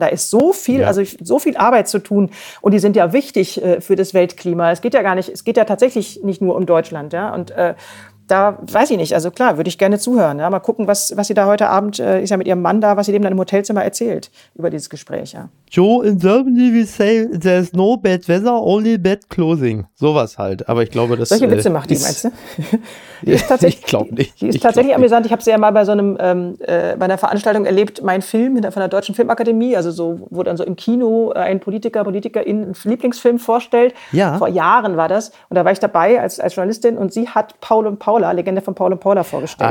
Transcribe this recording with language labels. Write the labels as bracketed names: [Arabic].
[German] Da ist so viel, also so viel Arbeit zu tun und die sind ja wichtig für das Weltklima. Es geht ja tatsächlich nicht nur um Deutschland, ja? Und da weiß ich nicht. Also klar, würde ich gerne zuhören. Ja? Mal gucken, was sie da heute Abend, ist ja mit ihrem Mann da, was sie dem dann im Hotelzimmer erzählt über dieses Gespräch. Ja. [English] Joe, in Germany we say there's no bad weather, only bad clothing. [German] Sowas halt. Aber ich glaube, das solche Witze macht die, meinst du? Ich glaube nicht. Die ist tatsächlich amüsant. Ich habe sie ja mal bei so einem bei einer Veranstaltung erlebt, mein Film von der Deutschen Filmakademie, also so, wo dann so im Kino ein Politiker, Politikerin einen Lieblingsfilm vorstellt. Ja. Vor Jahren war das. Und da war ich dabei als Journalistin und sie hat Paul und Paula, Legende von Paul und Paula, vorgestellt.